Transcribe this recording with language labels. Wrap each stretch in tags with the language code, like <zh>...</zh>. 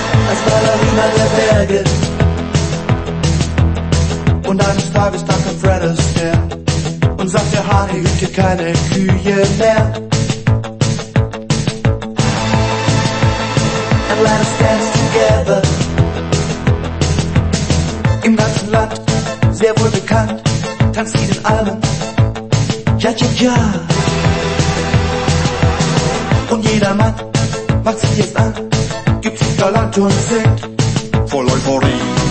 <de>Als Ballerina der Berge Und eines Tages da kommt Fred Astaire und sagt, der Hahn hütet keine Kühe mehr.</de> <en>And let us dance together.</en> <de>Im ganzen Land, sehr wohl bekannt, tanzt sie den Almen. Ja, ja, ja. Und jeder Mann macht sich jetzt an, gibt sich galant und singt voll Euphorie.</de>